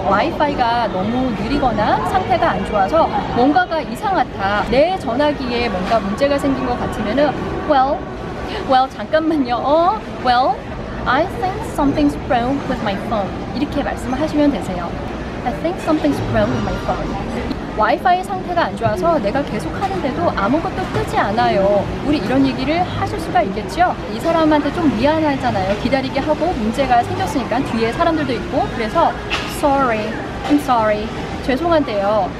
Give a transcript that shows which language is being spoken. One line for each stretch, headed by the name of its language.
Korean: 와이파이가 너무 느리거나 상태가 안 좋아서 뭔가가 이상하다. 내 전화기에 뭔가 문제가 생긴 것 같으면 Well, 잠깐만요.
English: Well, I think something's wrong with my phone.
Korean: 이렇게 말씀을 하시면 되세요.
English: I think something's wrong with my phone.
Korean: 와이파이 상태가 안 좋아서 내가 계속 하는데도 아무것도 뜨지 않아요. 우리 이런 얘기를 하실 수가 있겠죠? 이 사람한테 좀 미안하잖아요. 기다리게 하고 문제가 생겼으니까 뒤에 사람들도 있고 그래서
English: Sorry, I'm sorry.
Korean: 죄송한데요.